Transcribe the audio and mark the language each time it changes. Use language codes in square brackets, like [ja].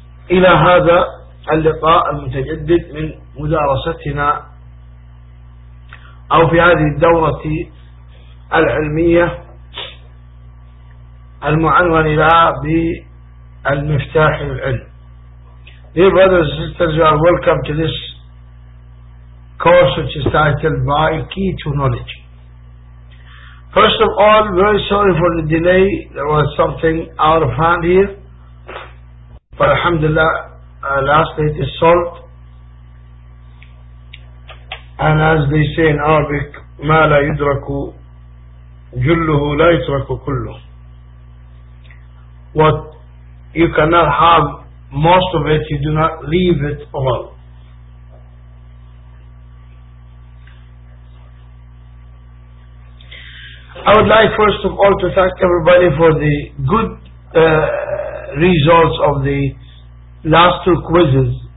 [ar] إلى هذا اللقاء المتجدد من مدارستنا أو في هذه الدورة العلمية المعنون لها بالمفتاح للعلم. [en] Dear brothers and sisters, you are welcome to this course which is titled By Key to Knowledge. First of all, very sorry for the delay. There was something out of hand here. But alhamdulillah, lastly it is solved. And as they say in Arabic, [ar] ما لا يدرك جله لا يترك كله. [en] What you cannot have most of it, you do not leave it all. I would like first of all to thank everybody for the good results of the last two quizzes.